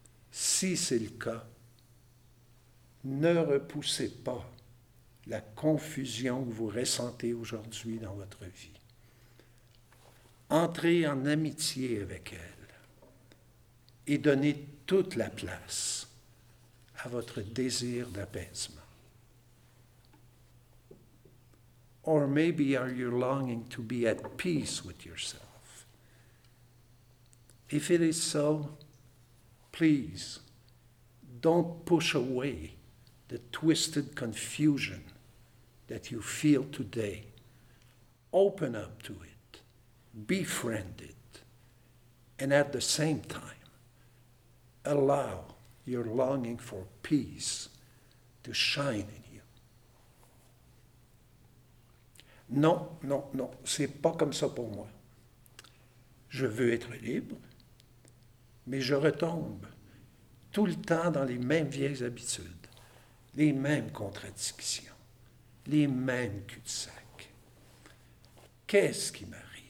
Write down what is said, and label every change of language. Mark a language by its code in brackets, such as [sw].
[fr] Si c'est le cas, ne repoussez pas la confusion que vous ressentez aujourd'hui dans votre vie. Entrez en amitié avec elle et donnez toute la place à votre désir d'apaisement. [en] Or maybe are you longing to be at peace with yourself? If it is so, please, don't push away the twisted confusion that you feel today. Open up to it, befriend it, and at the same time, allow your longing for peace to shine in you. [fr] Non, non, non, c'est pas comme ça pour moi. Je veux être libre, mais je retombe tout le temps dans les mêmes vieilles habitudes, les mêmes contradictions, les mêmes cul-de-sac. Qu'est-ce qui m'arrive?